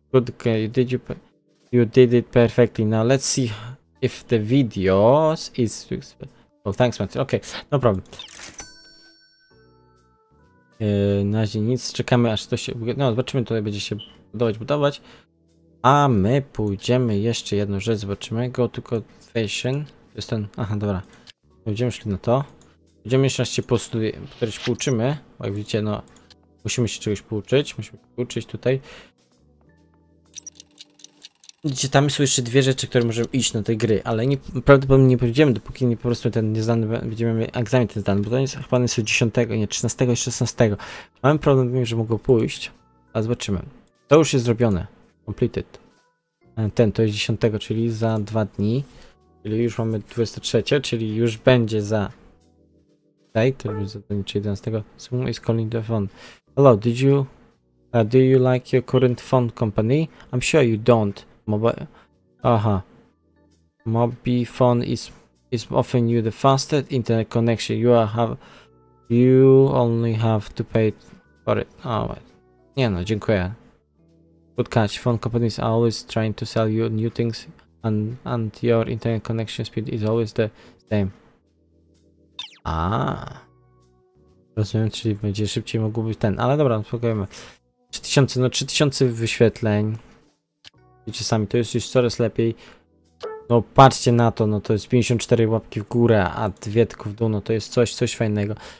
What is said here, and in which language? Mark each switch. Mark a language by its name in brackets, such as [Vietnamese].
[English] Good, you did it perfectly, now let's see if the video is well, thanks man, ok, no problem. [Polish] Na razie nic, czekamy aż to się, no zobaczymy, tutaj będzie się budować. A my pójdziemy jeszcze jedną rzecz, zobaczymy. [English] Go to Confession. [Polish] To jest ten. Aha, dobra. Będziemy szli na to. Będziemy jeszcze raz się pouczymy. Bo jak widzicie, no. Musimy się czegoś pouczyć. Musimy się pouczyć tutaj. Widzicie, tam są jeszcze dwie rzeczy, które możemy iść na tej gry. Ale nie, prawdopodobnie nie pójdziemy, dopóki nie po prostu ten nieznany. Będziemy mieli egzamin ten zdany. Bo to jest chyba jest 10, nie 13 i 16. Mamy problem, że mogą pójść. A zobaczymy. To już jest zrobione. Completed. Ten to jest 10, czyli za 2 dni. Czyli już mamy 23, czyli już będzie za. Tutaj, to już za 11. [English] Someone is calling the phone. Hello, did you. Do you like your current phone company? I'm sure you don't. Mobifone is offering you the fastest internet connection. You only have to pay for it. Oh, wait. [Polish] Nie no, dziękuję. [English] Good catch. Phone companies are always trying to sell you new things and your internet connection speed is always the same. [Polish] A rozumiem, czyli będzie szybciej mógł być ten, ale dobra, spokojmy. 3000, no 3000 wyświetleń. Widzicie sami, to jest już coraz lepiej. No patrzcie na to, no to jest 54 łapki w górę, a dwie tylko w dół, no to jest coś fajnego.